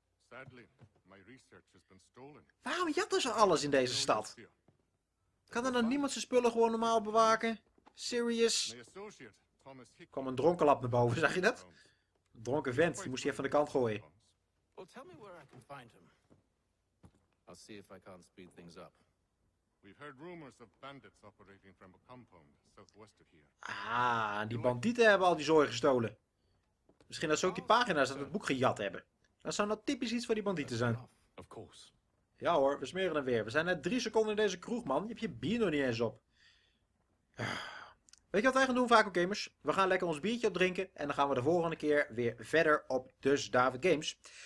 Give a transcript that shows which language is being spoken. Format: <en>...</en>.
<en>Sadly, my research has been stolen.</en> <nl>Waarom jatten ze alles in deze stad? Kan er dan niemand zijn spullen gewoon normaal bewaken? Serious? Kom een dronkenlap naar boven, zag je dat? Een dronken vent, die moest je even aan de kant gooien.</nl> <en>Well, tell me where I can find him. I'll see if I can't speed things up. We've heard rumors of bandits operating from a compound southwest of here.</en> <nl>Ah, die bandieten hebben al die zooi gestolen. Misschien dat ze ook die pagina's uit het boek gejat hebben. Dat zou nou typisch iets voor die bandieten zijn.</nl> <en>Of course.</en> <nl>Ja hoor, we smeren hem weer. We zijn net 3 seconden in deze kroeg, man. Je hebt je bier nog niet eens op. Weet je wat wij gaan doen, Vaco Gamers? We gaan lekker ons biertje opdrinken en dan gaan we de volgende keer weer verder op Dus David Games.</nl>